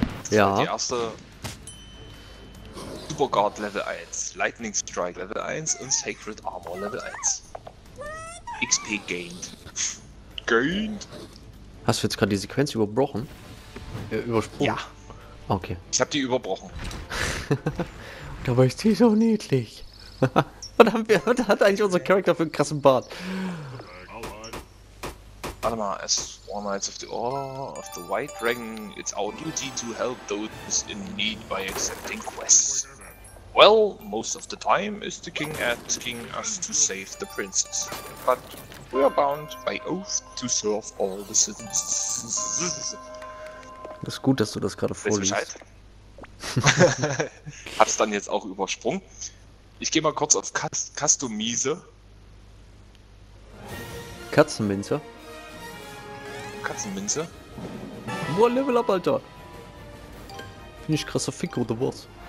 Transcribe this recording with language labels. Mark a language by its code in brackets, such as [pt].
[de] Ja. Die erste Superguard Level 1, Lightning Strike Level 1 und Sacred Armor Level 1. [en] XP gained. Gained? [de] Hast du jetzt gerade die Sequenz überbrochen? Übersprungen? Ja. Okay. Ich hab die überbrochen. Dabei ist die so niedlich. Und hat eigentlich unser Charakter für einen krassen Bart? Warte mal, [en] as War Knights of the Order of the White Dragon, it's our duty to help those in need by accepting quests. Well, most of the time is the king asking us to save the princess. But we are bound by oath to serve all the citizens. [de] Das ist gut, dass du das gerade vorliest. Hab's dann jetzt auch übersprungen. Ich gehe mal kurz auf Customize. Katzenminze. Katzenminze. Boah, Level up, Alter. Finde ich krasser Fick oder was?